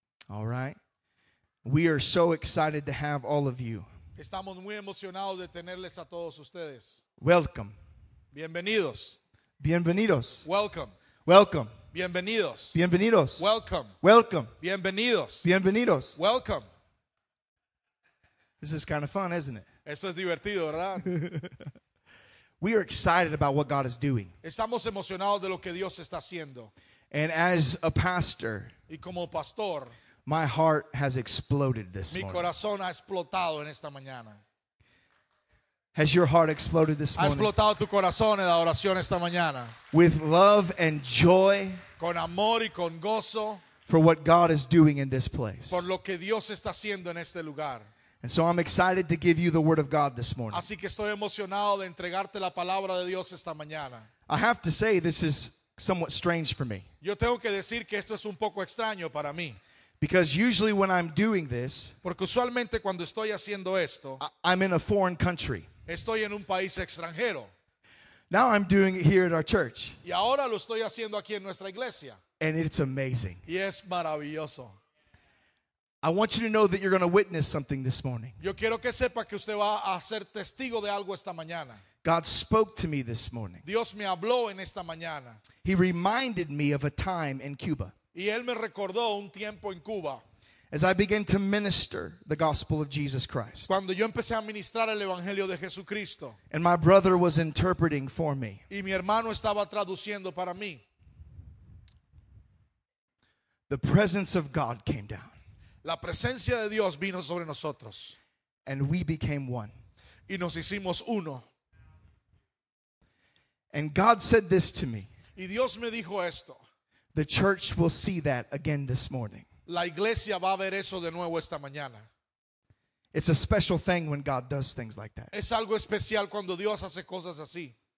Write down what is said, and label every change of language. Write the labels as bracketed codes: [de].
[en] All right. We are so excited to have all of you. [es] Estamos muy emocionados de tenerles a todos ustedes. [en] Welcome. [es] Bienvenidos. Bienvenidos. [en] Welcome. Welcome. [es] Bienvenidos. Bienvenidos. [en] Welcome. Welcome. [es] Bienvenidos. Bienvenidos. [en] Welcome. This is kind of fun, isn't it? [es] Esto es divertido, ¿verdad? [en] We are excited about what God is doing. [es] Estamos emocionados de lo que Dios está haciendo. [en] And as a pastor. [es] Y como pastor. [en] My heart has exploded this morning. [es] Mi corazón ha explotado en esta mañana. [en] Has your heart exploded this morning? [es] Ha explotado tu corazón en la oración esta mañana. [en] With love and joy. [es] Con amor y con gozo. [en] For what God is doing in this place. [es] Por lo que Dios está haciendo en este lugar. [en] And so I'm excited to give you the word of God this morning. [es] Así que estoy emocionado de entregarte la palabra de Dios esta mañana. [en] I have to say this is somewhat strange for me. [es] Yo tengo que decir que esto es un poco extraño para mí. [en] Because usually when I'm doing this, [es] porque usualmente cuando estoy haciendo esto, [en] I'm in a foreign country. [es] Estoy en un país extranjero. [en] Now I'm doing it here at our church. [es] Y ahora lo estoy haciendo aquí en nuestra iglesia. [en] And it's amazing. [es] Y es maravilloso. [en] I want you to know that you're going to witness something this morning. [es] Yo quiero que sepa que usted va a ser testigo de algo esta mañana. [en] God spoke to me this morning. [es] Dios me habló en esta mañana. [en] He reminded me of a time in Cuba. [es] Y él me recordó un tiempo en Cuba. [en] As I began to minister the gospel of Jesus Christ. [es] Cuando yo empecé a ministrar el evangelio de Jesucristo. [en] And my brother was interpreting for me. [es] Y mi hermano estaba traduciendo para mí. [en] The presence of God came down. [es] La presencia de Dios vino sobre nosotros. [en] And we became one. [es] Y nos hicimos uno. [en] And God said this to me. [es] Y Dios me dijo esto. [en] The church will see that again this morning. [es] La iglesia va a ver eso de nuevo esta mañana. [en] It's a special thing when God does things like that. [es] Es algo especial cuando Dios hace cosas así.